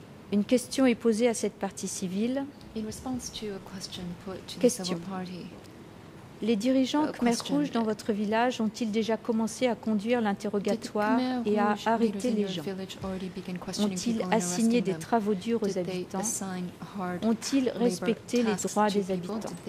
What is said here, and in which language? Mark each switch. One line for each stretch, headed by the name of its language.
French: Une question est posée à cette partie civile.
English: In response to a question put to the civil party.
French: Les dirigeants Khmer Rouge dans votre village ont-ils déjà commencé à conduire l'interrogatoire et à arrêter les gens? Ont-ils assigné des travaux durs aux habitants? Ont-ils respecté les droits des habitants?